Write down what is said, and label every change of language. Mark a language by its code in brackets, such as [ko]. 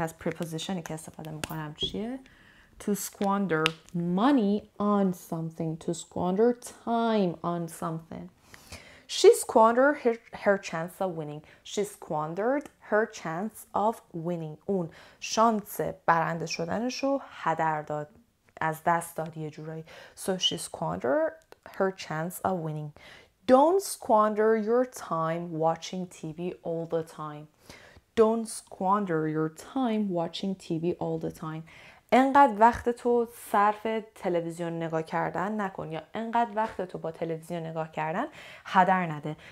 [fa] پس prepositionی که استفاده میکنم چیه؟ [en] To squander money on something. To squander time on something. She squandered her chance of winning. She squandered her chance of winning. [fa] اون شانس برنده شدنشو هدر داد. از دست داد یه جورایی. [en] So she squandered her chance of winning. Don't squander your time watching TV all the time. Don't squander your time watching TV all the time. [fa] انقدر وقت تو صرف تلویزیون نگاه کردن نکن یا انقدر وقت تو با تلویزیون نگاه کردن هدر نده.